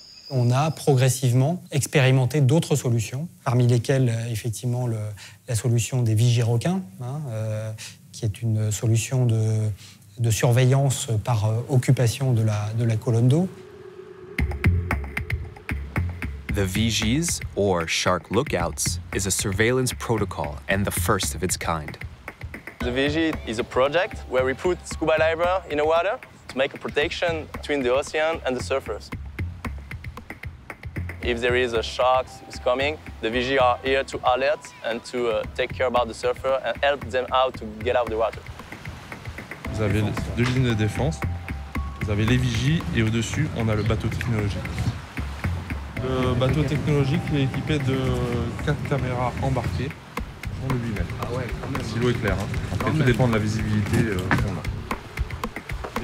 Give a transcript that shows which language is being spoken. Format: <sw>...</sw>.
<fr>On a progressivement expérimenté d'autres solutions, parmi lesquelles effectivement la solution des vigies requins, qui est une solution de surveillance par occupation de la colonne d'eau.</fr> <en>The vigies, or shark lookouts, is a surveillance protocol and the first of its kind. The Vigie is a project where we put scuba divers in the water to make a protection between the ocean and the surfers. If there is a shark who's coming, the Vigie are here to alert and to take care about the surfer and help them out to get out of the water.</en> <fr>Vous avez deux lignes de défense. Vous avez les Vigies et au-dessus, on a le bateau technologique. Le bateau technologique est équipé de 4 caméras embarquées. De 8 mètres. Ah ouais, si l'eau est claire. Hein. Après, tout dépend de la visibilité qu'on a.</fr>